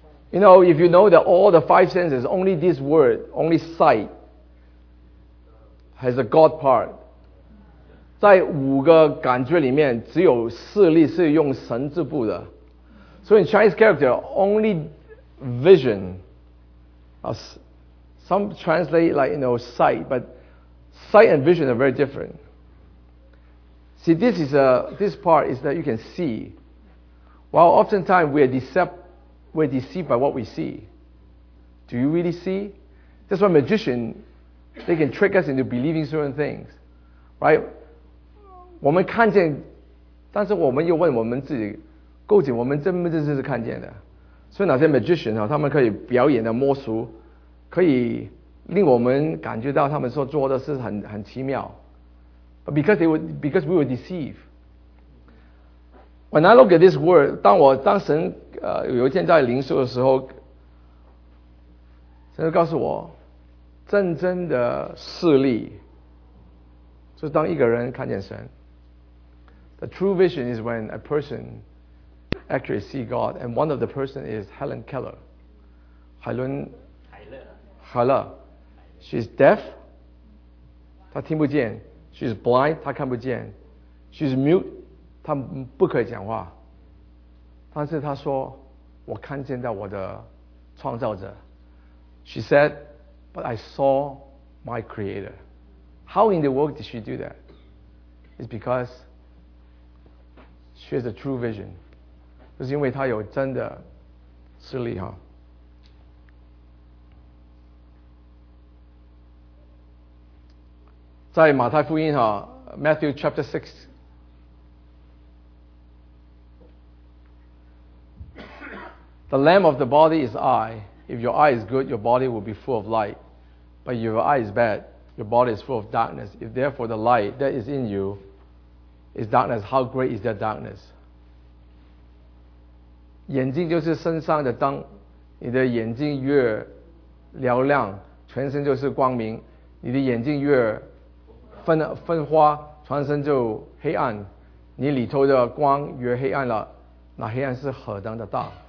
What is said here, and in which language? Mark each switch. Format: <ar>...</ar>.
<en>You know, if you know that all the five senses, only this word, only sight, has a God part.</en> <zh>在五个感觉里面，只有视力是用神字部的。</zh> <en>So in Chinese character, only vision. Some translate like, you know, sight, but sight and vision are very different. See, this is this part is that you can see. Well, oftentimes we're deceived by what we see. Do you really see? That's why magician, they can trick us into believing certain things. Right?</en> <zh>我们看见，但是我们又问我们自己，究竟我们真不真是看见的？所以那些 magician 他们可以表演的魔术，可以令我们感觉到他们所做的是很奇妙。</zh> <en>But because we were deceived. When I look at this word,</en> <zh>当神有一天在灵修的时候，神就告诉我，真正的视力，就是当一个人看见神。</zh> <en>The true vision is when a person actually see God, and one of the person is Helen Keller.</en> <zh>海伦</zh> <en>She's deaf.</en> <zh>她听不见。</zh> <en>She's blind,</en> <zh>她看不见。</zh> <en>She's mute,</en> <zh>她不可以讲话。但是她说，我看见到我的创造者。</zh> <en>She said, but I saw my creator. How in the world did she do that? It's because she has a true vision.</en> <zh>就是因为她有真的视力哈。在马太福音哈</zh> <en>，Matthew chapter 6， The lamp of the body is eye. If your eye is good, your body will be full of light. But if your eye is bad, your body is full of darkness. If therefore the light that is in you is darkness, how great is that darkness?</en> <zh>眼睛就是身上的灯，你的眼睛越嘹亮，全身就是光明。你的眼睛越分花，全身就黑暗。你里头的光越黑暗了，那黑暗是何等的大。</zh>